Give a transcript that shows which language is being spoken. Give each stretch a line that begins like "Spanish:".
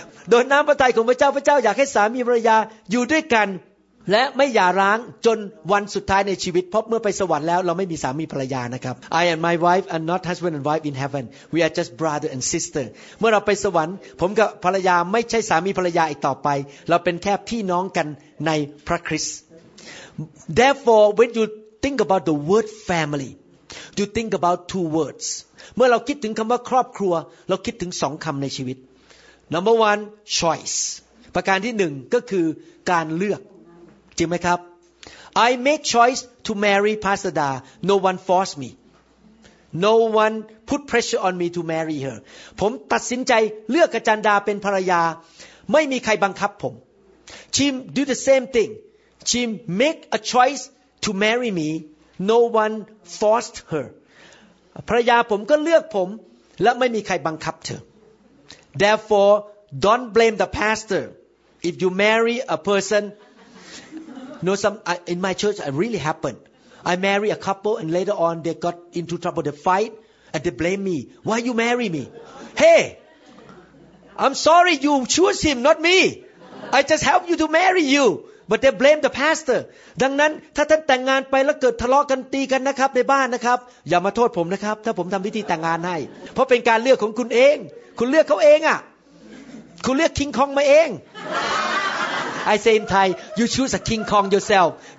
Thai: โดยน้ำพระทัยของพระเจ้าอยากให้สามีภรรยาอยู่ด้วยกันและไม่หย่าร้างจนวันสุดท้ายในชีวิตเพราะเมื่อไปสวรรค์แล้วเราไม่มีสามีภรรยานะครับ
English: I and my wife are not husband and wife in heaven. We are just brother and sister.
Thai: เมื่อเราไปสวรรค์ผมกับภรรยาไม่ใช่สามีภรรยาอีกต่อไปเราเป็นแค่พี่น้องกันในพระคริสต์
English: Therefore, when you think about the word family, you think about two words.
Thai: เมื่อเราคิดถึงคำว่าครอบครัวเราคิดถึงสองคำในชีวิต
English: Number one, choice.
Thai: ประการที่หนึ่งก็คือการเลือกจริงไหมครับ
English: I make choice to marry Pastor Da. No one forced me. No one put pressure on me to marry her.
Thai: ผมตัดสินใจเลือกอาจารย์ดาเป็นภรรยาไม่มีใครบังคับผม
English: She do the same thing. She make a choice to marry me. No one forced her.
Thai: ภรรยาผมก็เลือกผมและไม่มีใครบังคับเธ
English: อ Therefore, don't blame the pastor if you marry a personNo, in my church, it really happened. I married a couple, and later on, they got into trouble. They fight, and they blame me. Why you marry me? Hey, I'm sorry you choose him, not me. I just help you to marry you. But they blame the pastor.
Thai: ดังนั้นถ้าท่านแต่งงานไปแล้วเกิดทะเลาะกันตีกันนะครับในบ้านนะครับอย่ามาโทษผมนะครับถ้าผมทำพิธีแต่งงานให้เพราะเป็นการเลือกของคุณเองคุณเลือกเขาเองอ่ะคุณเลือกคิงคองมาเอง
English: I say in Thai, you choose a King Kong yourself.